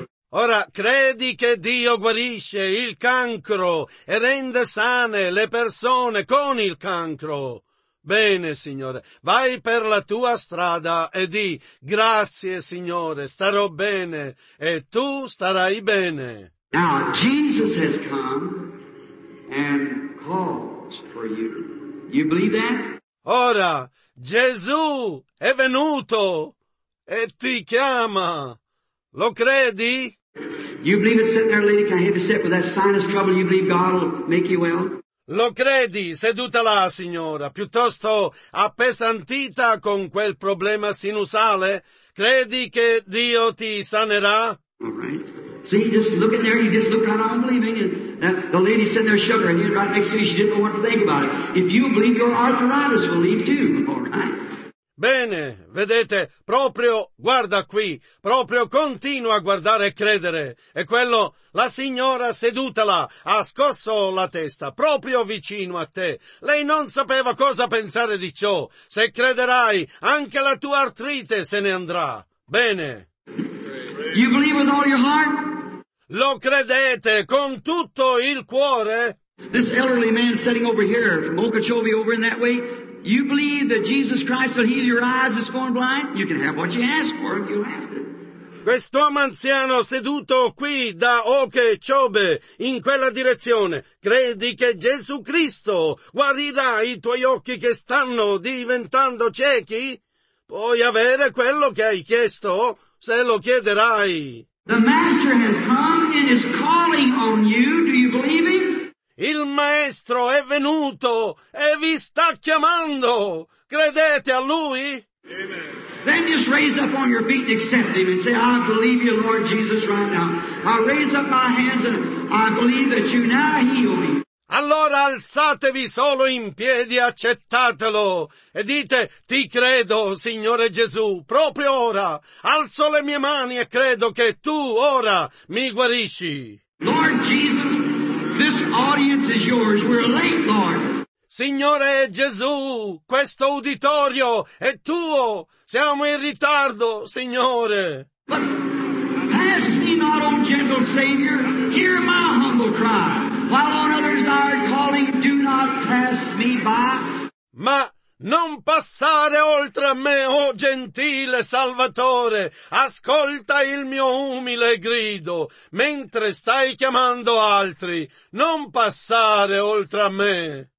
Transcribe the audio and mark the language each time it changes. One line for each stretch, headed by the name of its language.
Italian: Ora, credi che Dio guarisce il cancro e rende sane le persone con il cancro? Bene, Signore, vai per la tua strada e di, grazie, Signore, starò bene e tu starai bene.
English: Now, Jesus has come and calls for you. You believe that?
Italian: Ora, Gesù è venuto e ti chiama. Lo credi?
English: You believe it's sitting there, lady? Can I have you sit with that sinus trouble? You believe God will make you well?
Italian: Lo credi, seduta là, signora, piuttosto appesantita con quel problema sinusale? Credi che Dio ti sanerà?
English: All right. See, just look in there. You just look right on believing, and the lady sitting there shook her head right next to you. She didn't know what to think about it. If you believe, your arthritis will leave too. All right.
Italian: Bene, vedete, proprio guarda qui, proprio continua a guardare e credere. E quello, la signora seduta là, ha scosso la testa, proprio vicino a te. Lei non sapeva cosa pensare di ciò. Se crederai, anche la tua artrite se ne andrà. Bene.
English: You believe with all your heart?
Italian: Lo credete con tutto il cuore?
English: This elderly man sitting over here from Okeechobee over in that way, you believe that Jesus Christ will heal your eyes that's going blind? You can have what you ask for if you ask it.
Italian: Quest'uomo anziano seduto qui da Okeechobee in quella direzione, credi che Gesù Cristo guarirà i tuoi occhi che stanno diventando ciechi? Puoi avere quello che hai chiesto se lo chiederai.
English: The Master has come and is calling on you. Do you believe him?
Italian: Il Maestro è venuto e vi sta chiamando. Credete a Lui?
English: Amen. Then just raise up on your feet and accept Him and say, I believe you, Lord Jesus, right now. I raise up my hands and I believe that you now heal me.
Italian: Allora alzatevi solo in piedi, accettatelo e dite, ti credo, Signore Gesù, proprio ora. Alzo le mie mani e credo che Tu ora mi guarisci.
English: Lord Jesus, this audience is yours. We're late, Lord.
Italian: Signore Gesù, questo uditorio è tuo. Siamo in ritardo, Signore.
English: But pass me not, O gentle Savior, hear my humble cry. While on others are calling, do not pass me by.
Italian: Ma non passare oltre a me, o gentile Salvatore. Ascolta il mio umile grido. Mentre stai chiamando altri, non passare oltre a me.